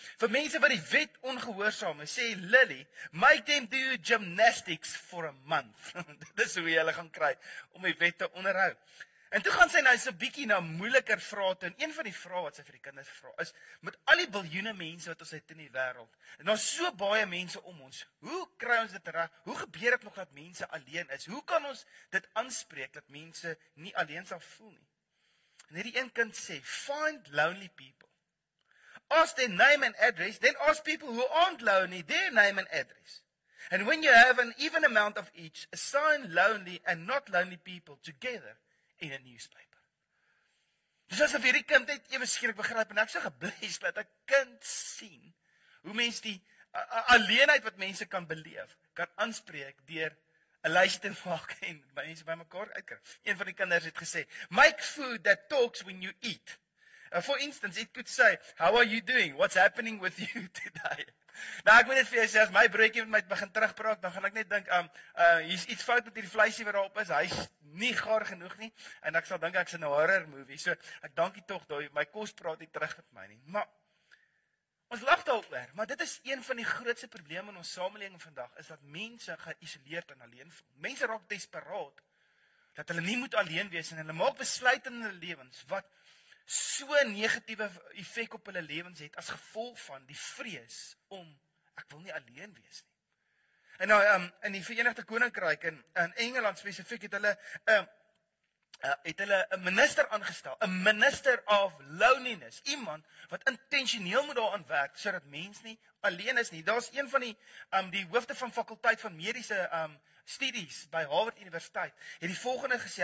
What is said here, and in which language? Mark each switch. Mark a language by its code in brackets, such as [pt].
[af] Vir mense wat die wet ongehoorsaam is, sê Lily, [en] "Make them do gymnastics for a month." [af] Dis hoe jy hulle gaan kry om die wet te onderhou. En toe gaan sy nou so 'n bietjie na moeiliker vrae toe. En een van die vrae wat sy vir die kinders vra is: met al die biljoene mense wat ons het in die wêreld, en daar's so baie mense om ons, hoe kry ons dit reg? Hoe gebeur dit nog dat mense alleen is? Hoe kan ons dit aanspreek dat mense nie alleen sal voel nie? En hierdie een kind sê: [en] "Find lonely people. Ask their name and address, then ask people who aren't lonely their name and address. And when you have an even amount of each, assign lonely and not lonely people together." [af] In 'n newspaper. Dis asof hierdie kind net ewe skielik begryp en ek so gebles dat 'n kind sien hoe mense die alleenheid wat mense kan beleef, kan aanspreek deur 'n lysie te maak en mense by mekaar uitkry. Een van die kinders het gesê, [en] "Make food that talks when you eat. For instance, it could say, 'How are you doing? What's happening with you today?'" [af] Nou ek moet net vir jou sê, as my broodjie met my begin terugpraat, dan gaan ek net dink, hier's iets fout met hierdie vleisie wat daarop is, hy's nie gaar genoeg nie, en ek sal dink ek's in 'n horror movie, so ek dankie tog, my kos praat nie terug met my nie, maar, ons lag daaroor, maar dit is een van die grootste probleme in ons samelewing vandag, is dat mense geïsoleerd en alleen voel, mense raak desperaat, dat hulle nie moet alleen wees, en hulle maak besluit in hulle lewens, wat so negatiewe effek op hulle lewens het as gevolg van die vrees om ek wil nie alleen wees nie. En nou in die Verenigde Koninkryk in Engeland spesifiek het hulle 'n minister aangestel, 'n minister of loneliness, iemand wat intentioneel moet daaraan werk sodat mens nie alleen is nie. Daar's een van die hoofde van fakulteit van mediese studies by Harvard Universiteit het die volgende gesê.